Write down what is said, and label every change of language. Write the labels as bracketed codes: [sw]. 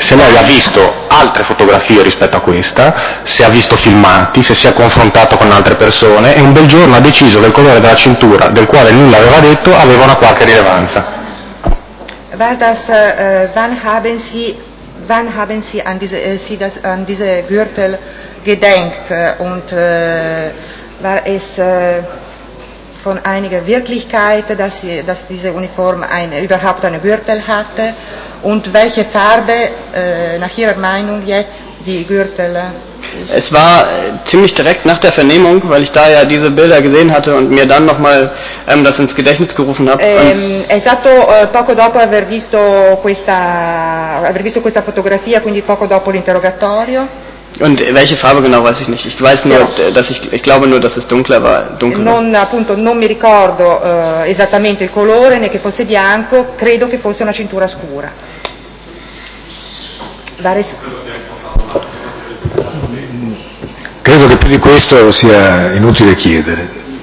[it] Se lei ha visto altre fotografie rispetto a questa, se ha visto filmati, se si è confrontato con altre persone e un bel giorno ha deciso che il colore della cintura, del quale nulla aveva detto, aveva una qualche rilevanza. [de] Verdas, wann haben Sie an diese Gürtel gedenkt und war es von einiger Wirklichkeit, dass diese Uniform überhaupt eine Gürtel hatte und welche Farbe nach Ihrer Meinung jetzt die Gürtel ist? Es war ziemlich direkt nach der Vernehmung, weil ich da ja diese Bilder gesehen hatte und mir dann nochmal das ins Gedächtnis gerufen habe. [it] Esatto, poco dopo aver visto questa fotografia, quindi poco dopo l'interrogatorio. [de] Und welche Farbe genau weiß ich nicht. Ich weiß nur, dass ich glaube nur, dass es dunkler war. Dunkler. [it] Non appunto, non mi ricordo esattamente il colore, né che fosse bianco. Credo che fosse una cintura scura. Credo che più di questo sia inutile chiedere.